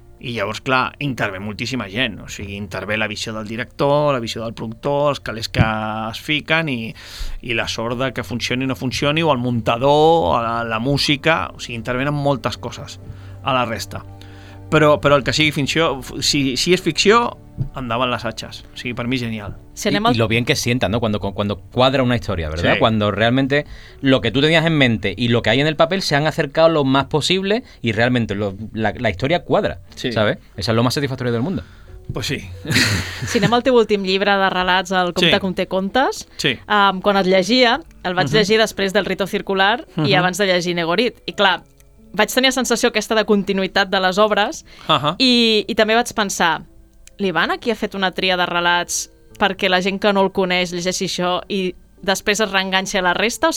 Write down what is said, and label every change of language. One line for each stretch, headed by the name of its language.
Catalan: I llavors, clar, intervé moltíssima gent. O sigui, intervé la visió del director, la visió del productor, els calés que es fiquen i la sort de que funcioni o no funcioni, o el muntador, o la música. O sigui, intervenen moltes coses a la resta. Però el que sigui ficció, si és ficció,
Spanish: andaban las hachas.
Catalan: O sigui, per mi, genial.
Spanish: Y lo bien que sientan, ¿no? Cuando cuadra una historia, ¿verdad? Sí. Cuando realmente lo que tú tenías en mente y lo que hay en el papel se han acercado lo más posible y realmente la historia cuadra, sí. ¿Sabes? Eso es lo más satisfactorio del mundo. Pues sí.
Catalan: Si anem al teu últim llibre de relats, el Compte sí. Conté Contes, sí. Quan et llegia, el vaig llegir després del Rito Circular i abans de llegir Negorit. I clar, vaig tenir la sensació aquesta de continuïtat de les obres i també vaig pensar, l'Ivan aquí ha fet una tria de relats perquè la gent que no el coneix llegeixi això i després es reenganxa la resta?